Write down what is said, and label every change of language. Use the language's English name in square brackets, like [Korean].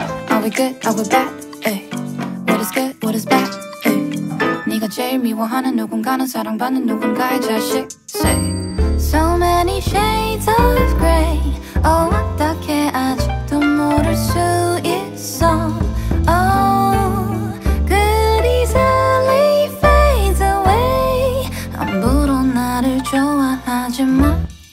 [English] Are we good? Are we bad? Ay. What is good? What is bad? Ay. [Korean] 네가 제일 미워하는 누군가는 사랑받는 누군가의 자식. [English] Say. So many shades of gray. [Korean] Oh, 어떻게 아직도 모를 수 있어. [English] Oh, good easily fades away. [Korean] 아무도 나를 좋아하지 마.